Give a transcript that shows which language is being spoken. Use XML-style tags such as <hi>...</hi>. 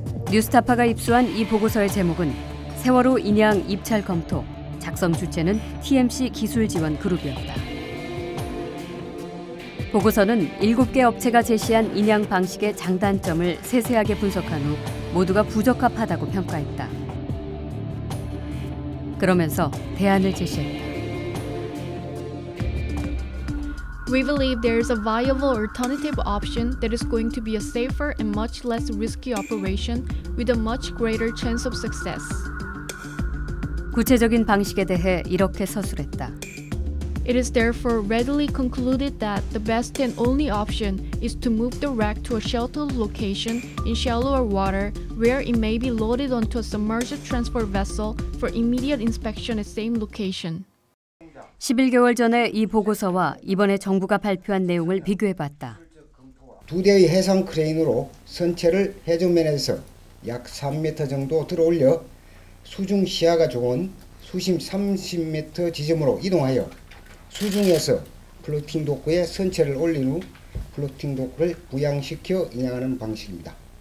<ko>뉴스타파가 입수한 이 보고서의 제목은 세월호 인양 입찰 검토, 작성 주체는 TMC 기술지원 그룹이었다. 보고서는 7개 업체가 제시한 인양 방식의 장단점을 세세하게 분석한 후 모두가 부적합하다고 평가했다. 그러면서 대안을 제시했다.</ko> <en>We believe there is a viable alternative option that is going to be a safer and much less risky operation with a much greater chance of success.</en> <ko>구체적인 방식에 대해 이렇게 서술했다.</ko> <en>It is therefore readily concluded that the best and only option is to move the wreck to a sheltered location in shallower water where it may be loaded onto a submerged transport vessel for immediate inspection at same location.</en> <ko>11개월 전에 이 보고서와 이번에 정부가 발표한 내용을 비교해봤다. 두 대의 해상 크레인으로 선체를 해전면에서 약 3m 정도 들어올려 수중 시야가 좋은 수심 30m 지점으로 이동하여 수중에서 플로팅 도크에 선체를 올린 후 플로팅 도크를 부양시켜 인양하는 방식입니다.</ko>